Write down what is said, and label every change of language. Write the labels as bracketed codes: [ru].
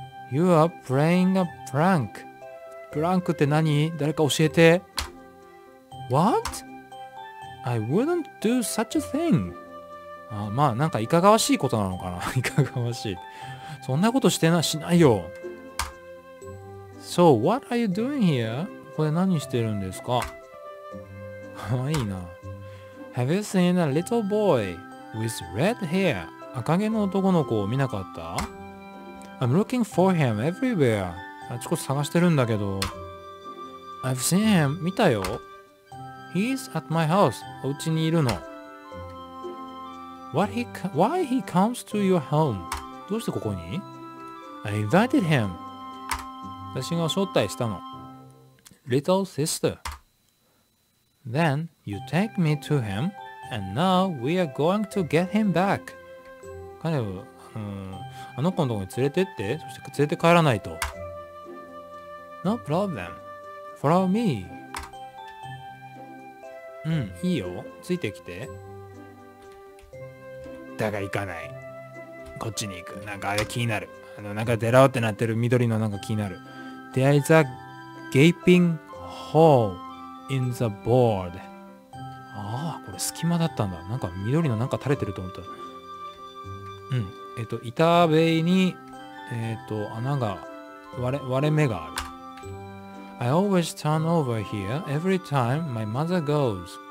[en] You are playing a prank. [ja] プランクって何？誰か教えて。 [en] What? I wouldn't do such a thing. [ja] あ、まあ、なんかいかがわしいことなのかな。いかがわしい。そんなことしてな、しないよ。 [en] So, what are you doing here? [ja] これ何してるんですか？かわいいな。 [en] Have you seen a little boy with red hair? [ja] 赤毛の男の子を見なかった？ [en] I'm looking for him everywhere. [ja] あちこち探してるんだけど。 [en] I've seen him. [ja] 見たよ。 [en] He's at my house. [ja] お家にいるの。 [en] Why he comes to your home? [ja] どうしてここに？ [en] I invited him. [ja] 私が招待したの。 [en] Little sister. Then you take me to him, and now we are going to get him back. [ja] 彼を、あの子のところに連れてって、そして連れて帰らないと。 [en] No problem. Follow me. [ja] うん、いいよ。ついてきて。だが行かない。こっちに行く。なんかあれ気になる。あのなんかデラオってなってる緑のなんか気になる。 [en] There is a gaping hole in the board. [ja] ああ、これ隙間だったんだ。なんか緑のなんか垂れてると思った。うん。板塀に、穴が、割れ目がある。 [en] I always turn over here every time my mother goes.